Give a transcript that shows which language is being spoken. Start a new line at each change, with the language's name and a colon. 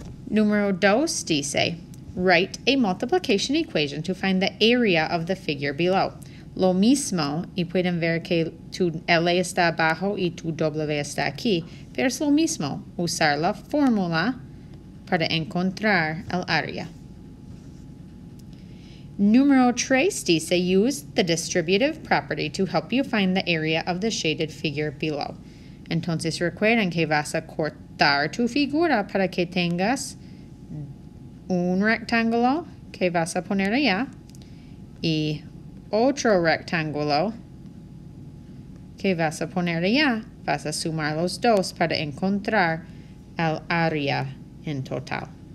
Spanish: Número dos dice,
English: write a multiplication equation to find the area of the figure below.
Spanish: Lo mismo, y pueden ver que tu L está abajo y tu W está aquí, pero es lo mismo, usar la fórmula para encontrar el área. Número 3 dice,
English: use the distributive property to help you find the area of the shaded figure below.
Spanish: Entonces recuerden que vas a cortar tu figura para que tengas un rectángulo que vas a poner allá y otro rectángulo que vas a poner allá, vas a sumar los dos para encontrar el área en total.